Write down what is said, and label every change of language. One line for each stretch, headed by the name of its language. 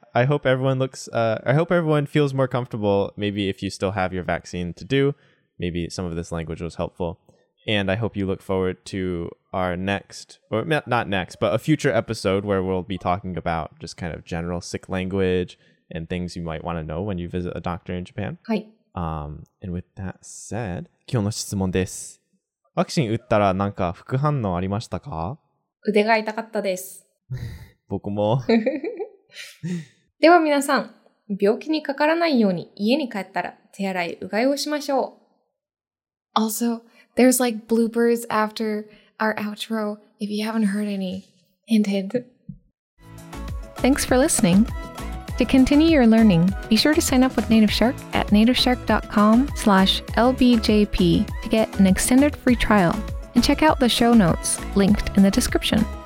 English: I hope everyone looks, I hope everyone feels more comfortable. Maybe if you still have your vaccine to do, maybe some of this language was helpful. And I hope you look forward to our next, or not next, but a future episode where we'll be talking about just kind of general sick language and things you might want to know when you visit a doctor in Japan.
Japanese: はい。
English: And with that said,
Japanese: 今日の質問です。ワクチン打ったらなんか副反応ありましたか? 腕が痛かったです。僕も。では皆さん、病気にかからないように家に帰ったら手洗いうがいをしましょう。
English: Also, there's like bloopers after our outro, if you haven't heard any, hint hint. Thanks for listening. To continue your learning, be sure to sign up with Native Shark at nativeshark.com/lbjp to get an extended free trial and check out the show notes linked in the description.